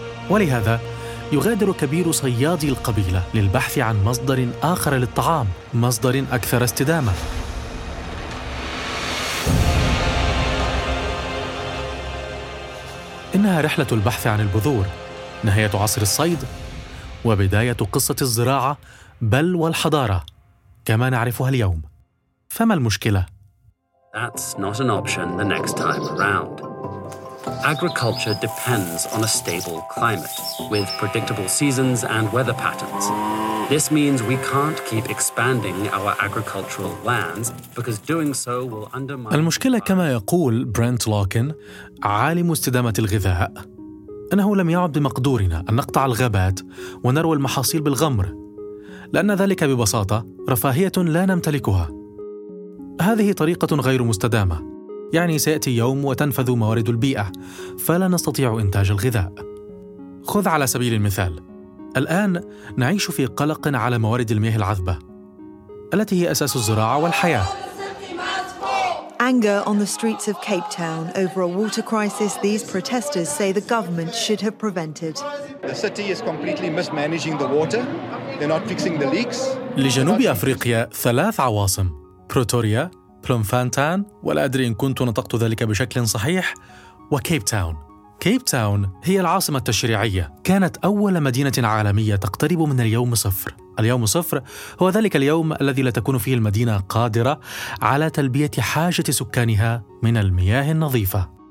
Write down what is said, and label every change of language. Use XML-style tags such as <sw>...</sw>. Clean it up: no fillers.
<ar>ولهذا يغادر كبير صيادي القبيلة للبحث عن مصدر آخر للطعام، مصدر أكثر استدامة. إنها رحلة البحث عن البذور، نهاية عصر الصيد، وبداية قصة الزراعة بل والحضارة كما نعرفها اليوم. فما المشكلة؟</ar> <en>That's not an option the next time around. Agriculture depends on a stable climate with predictable seasons and weather patterns. This means we can't keep expanding our agricultural lands because doing so will undermine.</en> <ar>المشكلة كما يقول برنت لوكن عالم استدامة الغذاء، أنه لم يعد بمقدورنا أن نقطع الغابات ونروي المحاصيل بالغمر، لأن ذلك ببساطة رفاهية لا نمتلكها. هذه طريقة غير مستدامة، يعني سيأتي يوم وتنفذ موارد البيئة فلا نستطيع إنتاج الغذاء. خذ على سبيل المثال، الآن نعيش في قلق على موارد المياه العذبة التي هي أساس الزراعة والحياة.</ar> <en>Anger on the streets of Cape Town over a water crisis these protesters say the government should have prevented. The city is completely mismanaging the water. They're not fixing the leaks.</en> <ar>لجنوب أفريقيا ثلاث عواصم: بروتوريا، بلومفانتان، ولا أدري إن كنت نطقت ذلك بشكل صحيح، وكيب تاون. كيب تاون هي العاصمة التشريعية، كانت أول مدينة عالمية تقترب من اليوم صفر. اليوم صفر هو ذلك اليوم الذي لا تكون فيه المدينة قادرة على تلبية حاجة سكانها من المياه النظيفة.</ar>